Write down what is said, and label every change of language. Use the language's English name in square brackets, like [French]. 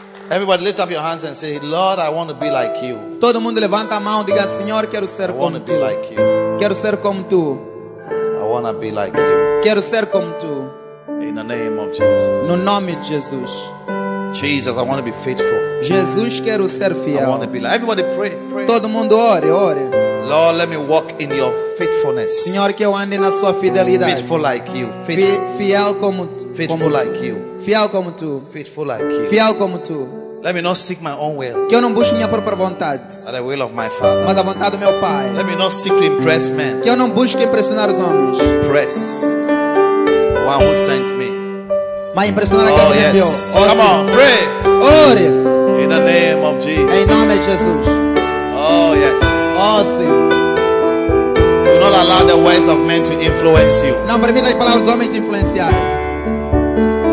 [English] Everybody lift up your hands and say, Lord, I want to be like you. [Portuguese] Todo mundo levanta a mão e diga, Senhor, quero ser como tu. [English] I want to be like you. [Portuguese] Quero ser como tu. [English] I want to be like you. [Portuguese] Quero ser como tu. [English] In the name of Jesus. [Portuguese] No nome de Jesus. [English] Jesus, I want to be faithful. [Portuguese] Jesus, quero ser fiel. [English] I want to be like. Everybody pray, pray. [Portuguese] Todo mundo ore, ore. [English] Lord, let me walk in your faithfulness. [Portuguese] Senhor, que eu ande na sua fidelidade. [English] Faithful like you. [Portuguese] Fiel como tu. [English] Faithful like you. [Portuguese] Fiel como tu. [English] Faithful like you. [Portuguese] Fiel como tu. [English] Let me not seek my own will. [Portuguese] Que eu não busque minha própria vontade. [English] But the will of my Father. [Portuguese] Mas a vontade do meu Pai. [English] Let me not seek to impress men. [Portuguese] Que eu não busque impressionar os homens. [English] Impress. One who sent me. [Portuguese] Mas impressionar aquele que me enviou. [English] Oh, come on, pray. [Portuguese] Ore. [English] In the name of Jesus. [Portuguese] Em nome de Jesus. [English] Oh yes. [Portuguese] Oh sim. [English] Do not allow the words of men to influence you. [Portuguese] Não permita as palavras dos homens te influenciarem.